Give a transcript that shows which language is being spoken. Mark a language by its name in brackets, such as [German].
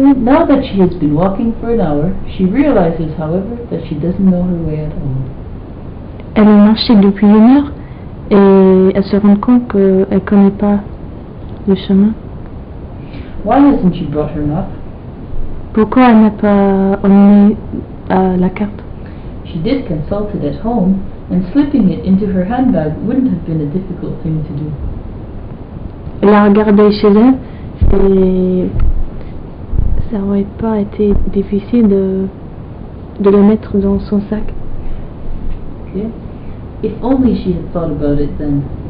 [English] Now that she has been walking for an hour, she realizes, however, that she doesn't know her way at all. [French] Elle a marché depuis une heure et elle se rend compte qu'elle connaît pas le chemin. [English] Why hasn't she brought her map? [French] Pourquoi elle n'a pas emmené la carte? [English] She did consult it at home, and slipping it into her handbag wouldn't have been a difficult thing to do. [French] Elle a regardé chez elle, et ça aurait pas été difficile de le mettre dans son sac. [English] Okay. If only she had thought about it then.